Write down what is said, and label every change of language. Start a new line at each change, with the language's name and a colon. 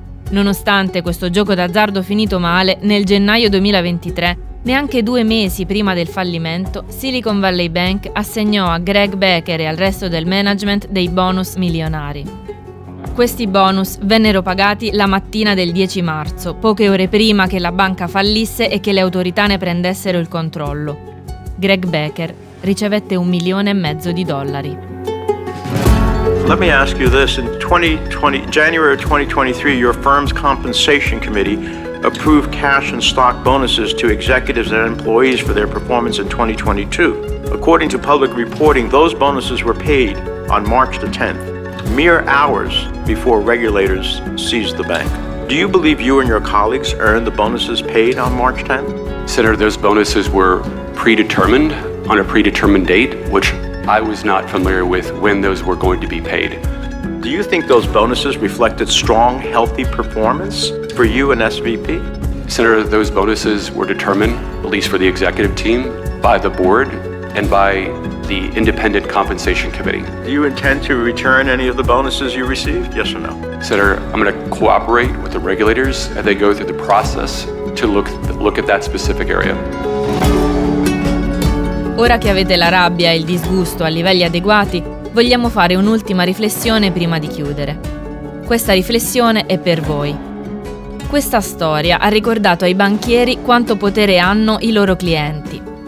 Italian: Nonostante questo gioco d'azzardo finito male, nel gennaio 2023, neanche due mesi prima del fallimento, Silicon Valley Bank assegnò a Greg Becker e al resto del management dei bonus milionari. Questi bonus vennero pagati la mattina del 10 marzo, poche ore prima che la banca fallisse e che le autorità ne prendessero il controllo. Greg Becker ricevette
English: $1.5 million. Let me ask you this: in January 2023, your firm's compensation committee approve cash and stock bonuses to executives and employees for their performance in 2022. According to public reporting, those bonuses were paid on March the 10th, mere hours before regulators seized the bank. Do you believe you and your colleagues earned the bonuses paid on March 10th? Senator, those bonuses were predetermined on a predetermined date, which I was not familiar with when those were going to be paid. Do you think those bonuses reflected strong, healthy performance for you and SVP? Senator, those bonuses were determined, at least for the executive team, by the board and by the independent compensation committee. Do you intend to return any of the bonuses you received, yes or no? Senator, I'm going to cooperate with the regulators as they go through the process to look at that specific area.
Italian: Ora che avete la rabbia e il disgusto a livelli adeguati, vogliamo fare un'ultima riflessione prima di chiudere. Questa riflessione è per voi. Questa storia ha ricordato ai banchieri quanto potere hanno i loro clienti.